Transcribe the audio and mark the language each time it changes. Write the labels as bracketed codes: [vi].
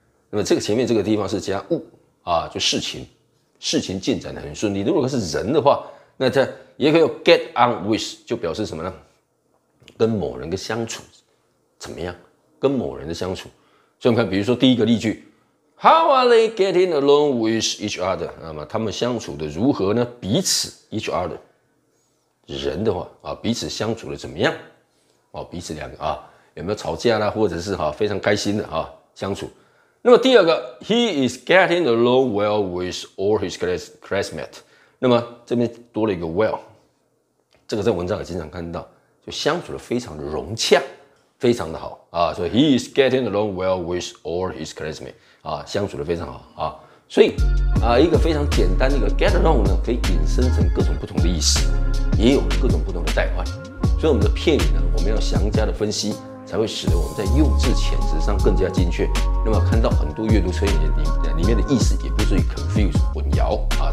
[zh] 那么这个前面这个地方是加物啊，就事情，事情进展的很顺利。如果是人的话，那它也可以用 [en] get on with， [zh] 就表示什么呢？跟某人的相处怎么样？跟某人的相处。所以我们看，比如说第一个例句。 [en] How are they getting along with each other？ [zh] 那么他们相处的如何呢？彼此 [en] each other， [zh] 人的话啊，彼此相处的怎么样？哦，彼此两个啊，有没有吵架啦，或者是哈、啊、非常开心的啊相处？那么第二个 [en] ，He is getting along well with all his classmates。 [zh] 那么这边多了一个 well， 这个在文章也经常看到，就相处的非常的融洽，非常的好啊。所以 [en] He is getting along well with all his classmates。 [zh] 啊，相处的非常好啊，所以啊，一个非常简单的一个 get along 呢，可以引申成各种不同的意思，也有各种不同的代换。所以我们的片语呢，我们要详加的分析，才会使得我们在用字遣词上更加精确。那么看到很多阅读测验里面的意思，也不至于 confuse 混淆啊。